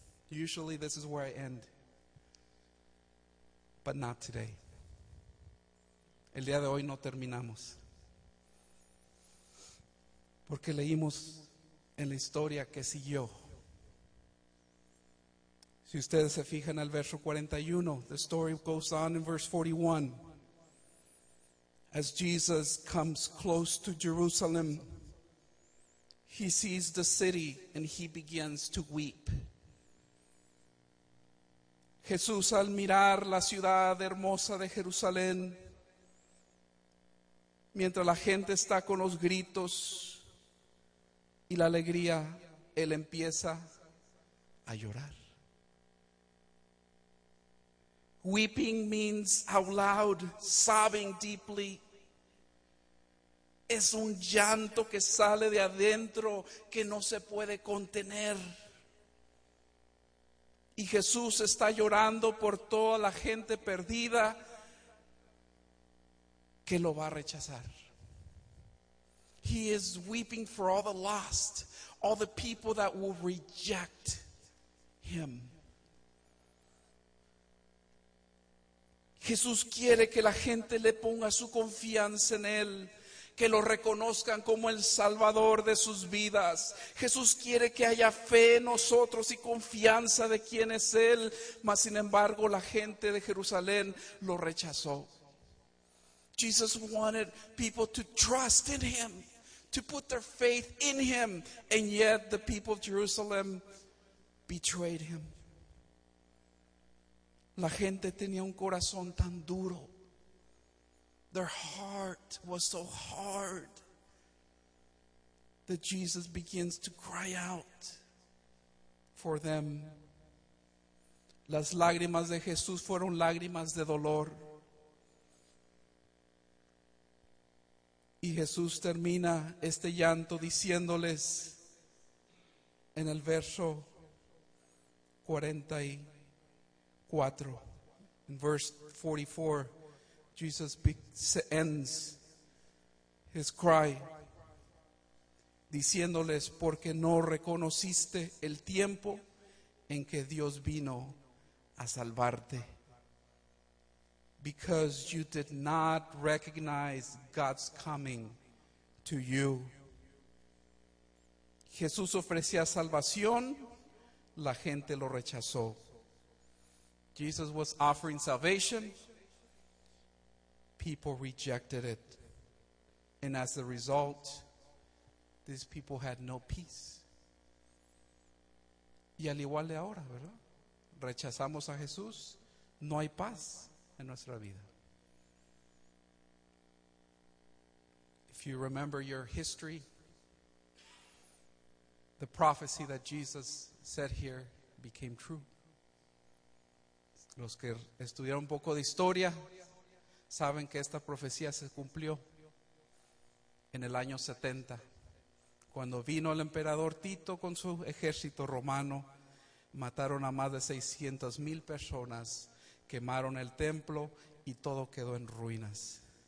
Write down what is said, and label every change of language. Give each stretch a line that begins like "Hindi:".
English: Usually this is where I end, but not today.
Spanish: El día de hoy no terminamos, porque leímos en la historia que siguió. Si ustedes se fijan en el verso 41,
English: the story goes on in verse 41. As Jesus comes close to Jerusalem, he sees the city and he begins to weep.
Spanish: Jesús, al mirar la ciudad hermosa de Jerusalén, mientras la gente está con los gritos y la alegría, él empieza a llorar.
English: Weeping means out loud, sobbing deeply.
Spanish: Es un llanto que sale de adentro, que no se puede contener. Y Jesús está llorando por toda la gente perdida que lo va a rechazar.
English: He is weeping for all the lost, all the people that will reject him.
Spanish: Jesús quiere que la gente le ponga su confianza en Él, que lo reconozcan como el Salvador de sus vidas. Jesús quiere que haya fe en nosotros y confianza de quién es Él, mas sin embargo la gente de Jerusalén lo rechazó.
English: Jesus wanted people to trust in Him, to put their faith in Him, and yet the people of Jerusalem betrayed Him.
Spanish: La gente tenía un corazón tan duro.
English: Their heart was so hard that Jesus begins to cry out for them.
Spanish: Las lágrimas de Jesús fueron lágrimas de dolor. Y Jesús termina este llanto diciéndoles en el verso 44.
English: In verse 44, Jesus ends his cry,
Spanish: diciéndoles, porque no reconociste el tiempo en que Dios vino a salvarte.
English: Because you did not recognize God's coming to you.
Spanish: Jesús ofrecía salvación, la gente lo rechazó.
English: Jesus was offering salvation. People rejected it. And as a result, these people had no peace.
Spanish: Y al igual de ahora, ¿verdad? Rechazamos a Jesús, no hay paz en nuestra vida.
English: If you remember your history, the prophecy that Jesus said here became true.
Spanish: Los que estudiaron un poco de historia saben que esta profecía se cumplió en el año 70, cuando vino el emperador Tito con su ejército romano, mataron a más de 600 mil personas, quemaron el templo y todo quedó en ruinas.